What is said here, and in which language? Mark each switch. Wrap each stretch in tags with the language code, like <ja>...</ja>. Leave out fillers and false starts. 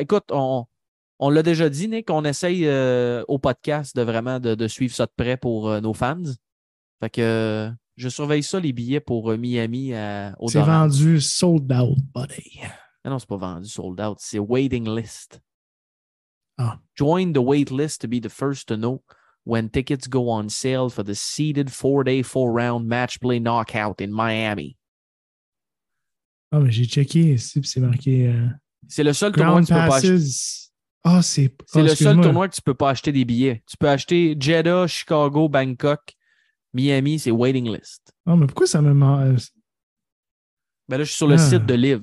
<fr>Écoute, on l'a déjà dit, Nick, on essaye au podcast de vraiment de suivre ça de près pour nos fans. Fait que je surveille ça, les billets pour Miami. C'est vendu</fr> <en>sold out, buddy.</en> <fr>Mais non, c'est pas vendu</fr> <en>sold out,</en> <fr>c'est</fr> <en>waiting list.</en> <fr>Ah.</fr> <en>Join the wait list to be the first to know when tickets go on sale for the seeded 4-day, 4-round match play knockout in Miami.</en> <fr>Ah, oh, mais j'ai checké. C'est marqué. C'est le seul tournoi que tu peux pas acheter. Ah, oh, c'est. C'est le seul tournoi que tu peux pas acheter des billets. Tu peux acheter Jeddah, Chicago, Bangkok, Miami, c'est</fr> <en>waiting list.</en> <fr>Ah, oh, mais pourquoi ça me ment? Ben là, je suis sur le site de Liv.</fr>